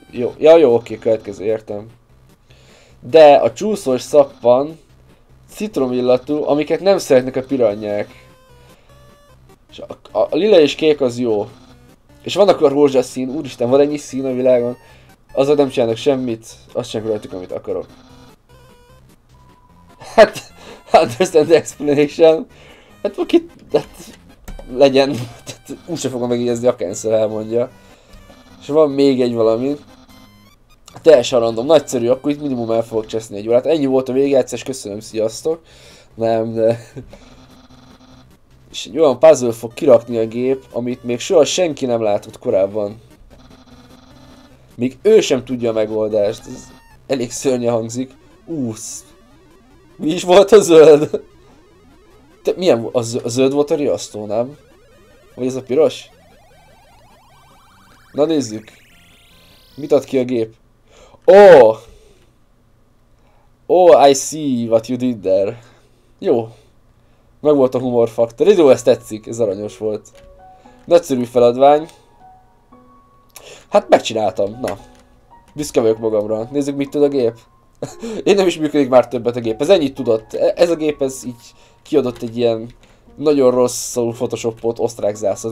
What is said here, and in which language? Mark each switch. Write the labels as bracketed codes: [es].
[hu] Jó, ja jó, oké, következő, értem. De a csúszós szappan citromillatú, amiket nem szeretnek a piranyák. És a lila és kék az jó. És van akkor rózsaszín, úristen, van ennyi szín a világon. Azzal nem csinálnak semmit, azt sem rajtuk, amit akarok. [en] Hát, understand the explanation. [hu] Hát, aki, hát, legyen, hát, úgyse fogom megjegyezni, akárszor elmondja. És van még egy valami. Teljesen random, nagyszerű, akkor itt minimum el fogok cseszni egy órát. Ennyi volt a vége, egyszer, és köszönöm, sziasztok. Nem, de... És egy olyan puzzle fog kirakni a gép, amit még soha senki nem látott korábban. Még ő sem tudja a megoldást, ez elég szörnye hangzik. Úsz! Mi is volt a zöld? Te, milyen a zöld volt a riasztó, nem? Vagy ez a piros? Na nézzük! Mit ad ki a gép? Oh! [en] Oh, I see what you did there. [hu] Jó. Meg volt a humor faktor. Jó, ez tetszik, ez aranyos volt. Nagyszerű feladvány. Hát megcsináltam, na. Büszke vagyok magamra. Nézzük, mit tud a gép. Én nem is működik már többet a gép. Ez ennyit tudott. Ez a gép, ez így kiadott egy ilyen nagyon rosszul photoshopot osztrák zászló.